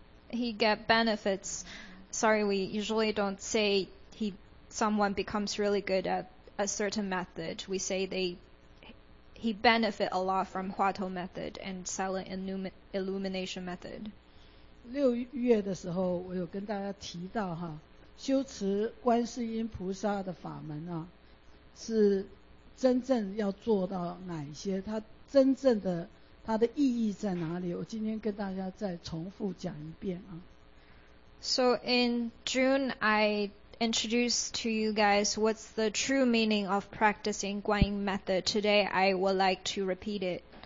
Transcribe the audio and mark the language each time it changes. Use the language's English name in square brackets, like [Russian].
[English] He get benefits. Sorry, we usually don't say someone becomes really good at a certain method. We say he benefit a lot from Hua Tou method and silent illumination method. [Chinese] 六月的时候我有跟大家提到哈，修持观世音菩萨的法门啊，是真正要做到哪一些，它真正的它的意义在哪里，我今天跟大家再重复讲一遍啊。 [English] So in June, I introduce to you guys what's the true meaning of practicing Guanyin method. Today, I would like to repeat it.